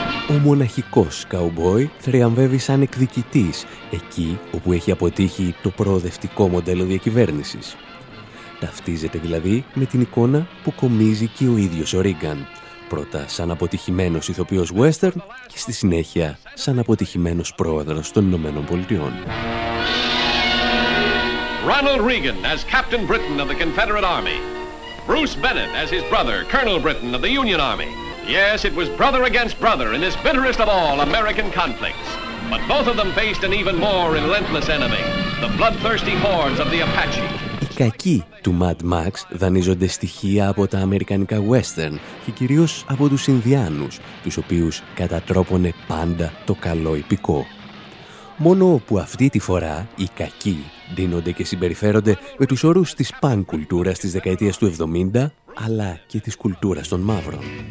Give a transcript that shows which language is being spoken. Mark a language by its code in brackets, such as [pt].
[el] Ο μοναχικός καουμπόι θριαμβεύει σαν εκδικητής εκεί όπου έχει αποτύχει το προοδευτικό μοντέλο διακυβέρνησης. Ταυτίζεται δηλαδή με την εικόνα που κομίζει και ο ίδιος ο Ρίγκαν. Πρώτα σαν αποτυχημένος ηθοποιός western και στη συνέχεια σαν αποτυχημένος πρόεδρος των Ηνωμένων Πολιτειών. [en] Ronald Reagan as Captain Britain of the Confederate Army. Bruce Bennett as his brother, Colonel Britain of the Union Army. Yes, it was brother against brother in this bitterest of all American conflicts. But both of them faced an even more relentless enemy, the bloodthirsty hordes of the Apache. [el] Οι κακοί του Mad Max δανείζονται στοιχεία από τα αμερικανικά western και κυρίως από τους Ινδιάνους, τους οποίους κατατρόπωνε πάντα το καλό υπηκό. Μόνο που αυτή τη φορά οι κακοί ντύνονται και συμπεριφέρονται με τους όρους της παν κουλτούρας της δεκαετίας του 70, αλλά και της κουλτούρας των μαύρων.